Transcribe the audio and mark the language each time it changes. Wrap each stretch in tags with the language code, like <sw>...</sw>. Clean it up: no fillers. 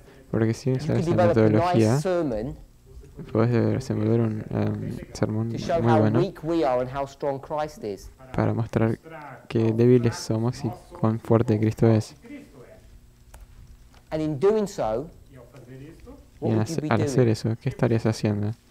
<es>porque sin usar esta metodología, puedes desarrollar un sermón muy bueno</es> <en>weak we are and how strong Christ is.</en> <es>Para mostrar qué débiles somos y cuán fuerte Cristo es.</es> <en>And in doing so,</en> <es>y en al hacer eso, ¿qué estarías haciendo?</es>